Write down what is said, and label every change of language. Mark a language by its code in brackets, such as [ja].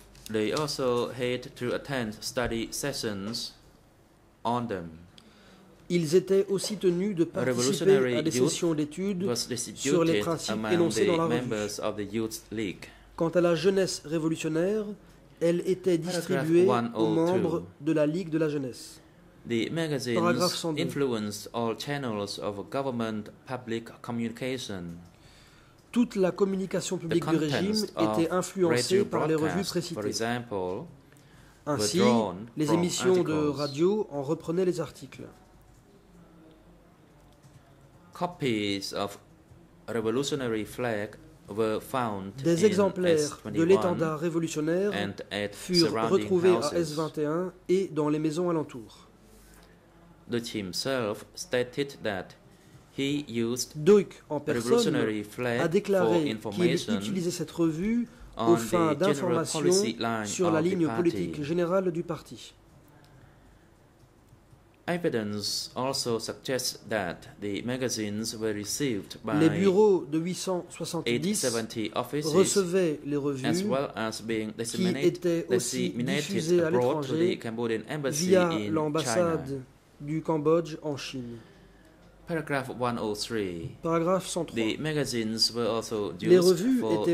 [en] They also had to attend study sessions on them. [fr] Ils étaient aussi tenus de participer à des sessions d'études sur les principes énoncés dans la revue. Quant à la jeunesse révolutionnaire, elle était distribuée aux membres de la Ligue de la jeunesse. [en] The magazines influenced all channels of government public communication. [fr] Toute la communication publique du régime était influencée par les revues précitées. Ainsi, les émissions de radio en reprenaient les articles. [en] Copies of revolutionary flag were found [fr] Des exemplaires [en] in S21 [fr] de l'étendard révolutionnaire [en] and at [fr] furent retrouvés [en] houses. [fr] À S21 et dans les maisons alentour. [en] Deutsch himself stated that he used [fr] Deutsch en personne a déclaré qu'il utilisait cette revue aux fins d'information sur la ligne politique générale du parti. [en] Evidence also suggests that the magazines were received by [fr] Les bureaux de 870 [en] offices [fr] recevaient les revues [en] as well as being [fr] qui étaient aussi diffusées à l'étranger via l'ambassade [en] China. [fr] Du Cambodge en Chine. [en] Paragraph 103. [fr] Paragraphe 103. [en] The magazines were also used [fr] les revues étaient